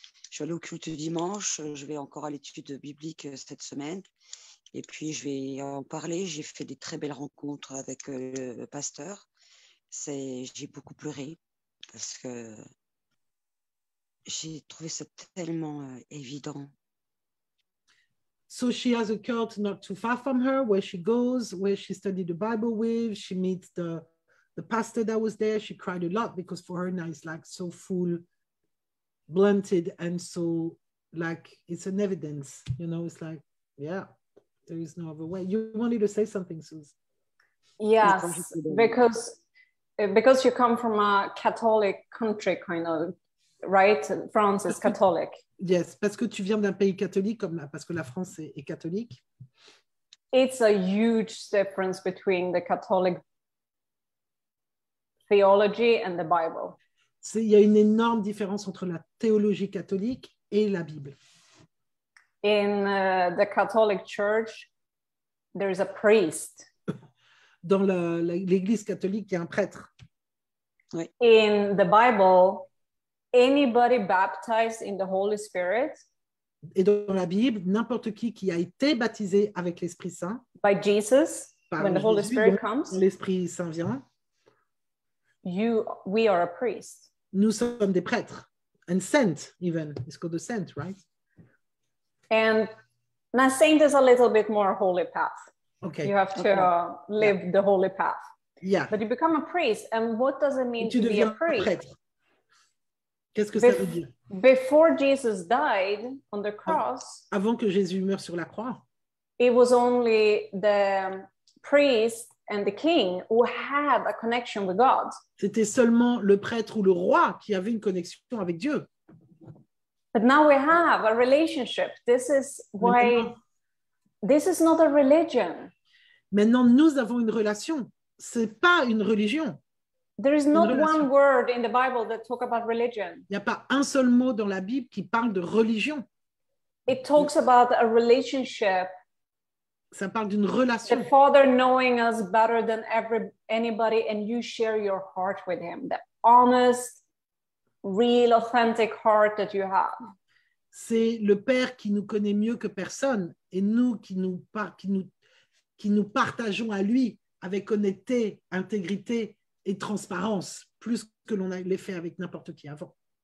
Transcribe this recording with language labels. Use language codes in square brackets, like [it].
[fr] Je suis allée au culte dimanche. Je vais encore à l'étude biblique cette semaine. Et puis, je vais en parler. J'ai fait des très belles rencontres avec le pasteur. J'ai beaucoup pleuré parce que j'ai trouvé ça tellement évident. [en] So she has a cult not too far from her, where she goes, where she studied the Bible with. She meets the pastor that was there. She cried a lot because for her now it's like so full, blunted, and so like it's an evidence. You know, it's like, yeah, there is no other way. You wanted to say something, Suze? Yes, because you come from a Catholic country, kind of. Right, France is Catholic. [fr] Yes, parce que tu viens d'un pays catholique, comme là, parce que la France est catholique. [en] It's a huge difference between the Catholic theology and the Bible. [fr] Il y a une énorme différence entre la théologie catholique et la Bible. [en] In the Catholic Church, there is a priest. [fr] Dans l'Église catholique, il y a un prêtre. [en] Oui. In the Bible. Anybody baptized in the Holy Spirit? [fr] Et dans la Bible, n'importe qui a été baptisé avec l'Esprit Saint. [en] By Jesus, when the Holy Spirit comes. [fr] L'Esprit Saint vient. [en] We are a priest. [fr] Nous sommes des prêtres. [en] And saint, even. It's called a saint, right? And a saint is a little bit more holy path. Okay. You have to live the holy path. Yeah. But you become a priest. And what does it mean to be a priest? [fr] Prêtre. Qu'est-ce que ça veut dire? [en] Before Jesus died on the cross, [fr] avant que Jésus meure sur la croix, [en] it was only the priest and the king who had a connection with God. [fr] C'était seulement le prêtre ou le roi qui avait une connexion avec Dieu. [en] But now we have a relationship. This is why this is not a religion. [fr] Maintenant, nous avons une relation. Ce n'est pas une religion. [en] There is not one word in the Bible that talks about religion. [fr] Il n'y a pas un seul mot dans la Bible qui parle de religion. [en] It talks about a relationship [fr] Ça parle d'une relation. [en] The Father knowing us better than anybody, and you share your heart with him. The honest, real, authentic heart that you have. [fr] C'est le Père qui nous connaît mieux que personne, et nous qui nous partageons à lui avec honnêteté, intégrité et transparence, plus que l'on l'ait fait avec n'importe qui avant.